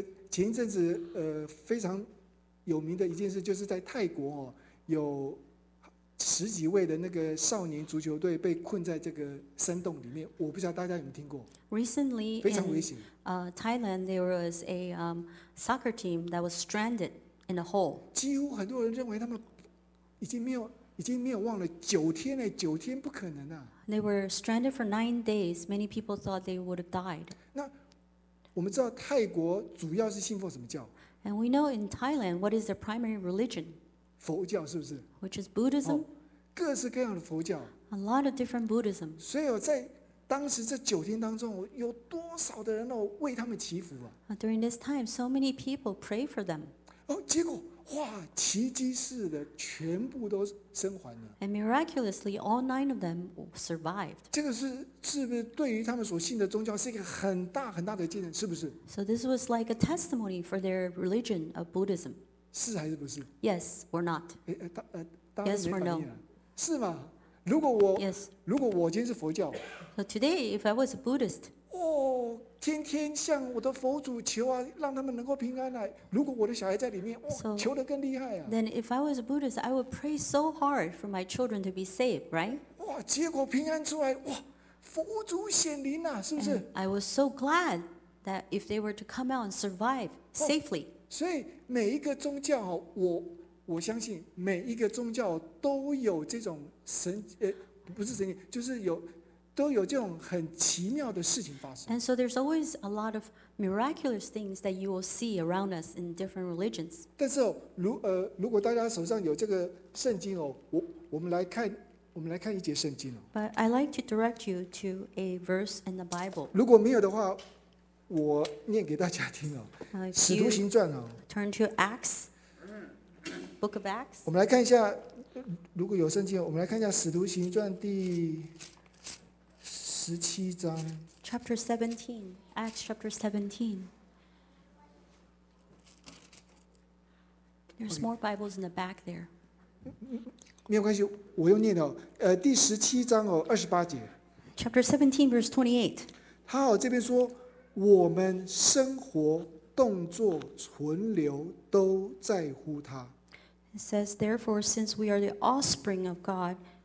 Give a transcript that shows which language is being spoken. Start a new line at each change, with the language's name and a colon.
Chinese: 前一阵子非常有名的一件事，就是在泰国哦，有十几位的那个少年足球队被困在这个山洞里面，我不知道大家有没有听过。
English: Recently,
Chinese: 非常危险。
English: Thailand, there was a soccer team that was stranded in a hole.
Chinese: 几乎很多人认为他们已经没有忘了九天嘞，九天不可能啊。
English: They were stranded for 9 days. Many people thought they would have died.
Chinese: 那我们知道泰国主要是信奉什么教
English: ？And we know in Thailand, what is their primary religion?
Chinese: 佛教是不是
English: ？Which is Buddhism？
Chinese: 各式各样的佛教。
English: A lot of different Buddhism。
Chinese: 所以在当时这九天当中，有多少的人哦为他们祈福啊
English: ？During this time, so many people pray for them。
Chinese: 哦，结果哇，奇迹似的，全部都生还了。
English: And miraculously, all 9 of them survived。
Chinese: 这个是不是对于他们所信的宗教是一个很大很大的见证，是不是
English: ？So this was like a testimony for their religion of Buddhism。
Chinese: 是还是不是
English: ？Yes or not？ Yes or no？
Chinese: 是吗？如果我
English: Yes。
Chinese: 如果我今天是佛教
English: ，So today if I was a Buddhist，哦，
Chinese: 天天向我的佛祖求啊，让他们能够平安来。如果我的小孩在里面，哇，求得更厉害啊。
English: Then if I was a Buddhist, I would pray so hard for my children to be saved, right?
Chinese: 哇，结果平安出来，哇，佛祖显灵啊，是不是？
English: I was so glad that if they were to come out and survive safely.
Chinese: 所以每一个宗教，我相信每一个宗教都有这种神，不是神迹，就是有。都有这种很奇妙的事情发生。
English: And so there's always a lot of miraculous things that you will see around us in different religions.
Chinese: 但是、如果大家手上有这个圣经、我们来看一节圣经、
English: But I like to direct you to a verse in the Bible.
Chinese: 如果没有的话，我念给大家听哦。使徒行传哦。
English: Turn to Acts, Book of Acts.
Chinese: 我们来看一下，如果有圣经，我们来看一下使徒行传第。 17章
English: Chapter 17 Acts chapter 17 There's more Bibles in the back there
Chinese: 没有关系我又念了、第17章、28节
English: Chapter 17 verse 28
Chinese: 他、这边说我们生活动作存留都在乎他
English: It says therefore since we are the offspring of God